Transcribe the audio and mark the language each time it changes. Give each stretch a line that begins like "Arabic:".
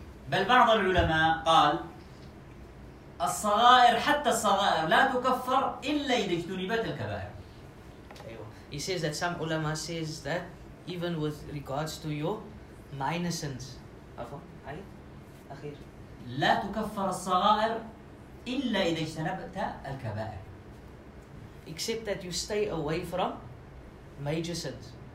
Arabic: بل بعض العلماء قال الصغائر حتى الصغائر لا تكفر إلا إذا اجتنبت الكبائر.
English: He says that some ulama says that even with regards to your minor sins.
Arabic: أخير. لا تكفر الصغائر إلا إذا اجتنبت الكبائر.
English: Except that you stay away from major sins.